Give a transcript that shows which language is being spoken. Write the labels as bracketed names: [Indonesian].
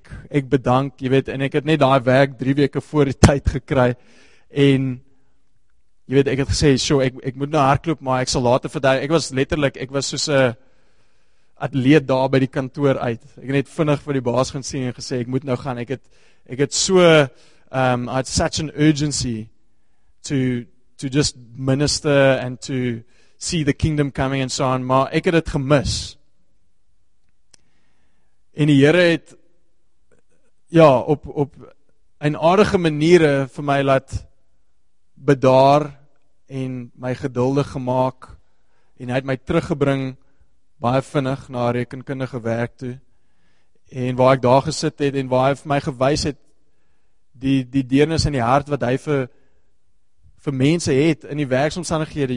[Afrikaans] Ek bedank, jy weet, en ek het net daai werk 3 weke voor die tyd gekry en jy weet, ek het gesê, so, ek moet nou hardloop, maar ek sal later verduidelik. Ek was letterlik, ek was soos 'n atleet daar by die kantoor uit. Ek het net vinnig vir die baas gaan sien en gesê, ek moet nou gaan. Ek het so, [English] I had such an urgency to just minister and to see the kingdom coming and so on. [Afrikaans] Maar ek het dit gemis. En die Here het, ja, op 'n aardige maniere vir my laat bedaar en my geduldig gemaak en hy het my teruggebring baie vinnig na rekenkundige werk toe en waar ek daar gesit het en waar hy vir my gewys het die deernis in die hart wat hy vir mense het in die werksomstandighede.